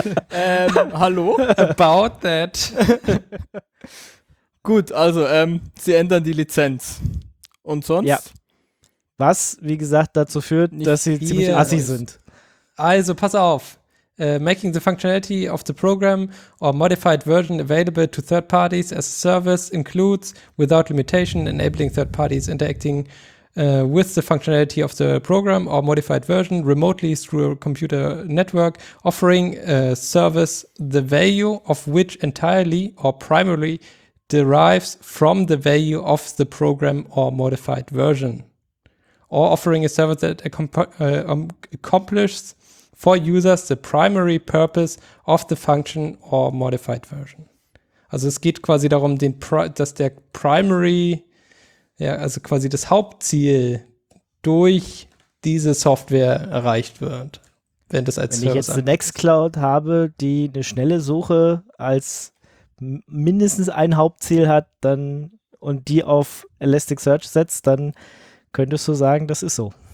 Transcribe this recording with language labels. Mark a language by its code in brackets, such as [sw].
[de] Hallo? [en] About that. [de] Gut, also sie ändern die Lizenz. Und sonst? Ja. Was, wie gesagt, dazu führt, nicht dass sie ziemlich assi sind. Also, pass auf. [en] Making the functionality of the program or modified version available to third parties as a service includes, without limitation, enabling third parties interacting with the functionality of the program or modified version remotely through a computer network, offering a service the value of which entirely or primarily derives from the value of the program or modified version. or offering a service that accomplishes for users the primary purpose of the function or modified version. [de] Also es geht quasi darum, dass der primary, ja, also quasi das Hauptziel durch diese Software erreicht wird. Wenn das als Wenn ich jetzt eine Nextcloud habe, die eine schnelle Suche als mindestens ein Hauptziel hat, dann und die auf Elasticsearch setzt, dann könntest du sagen, das ist so.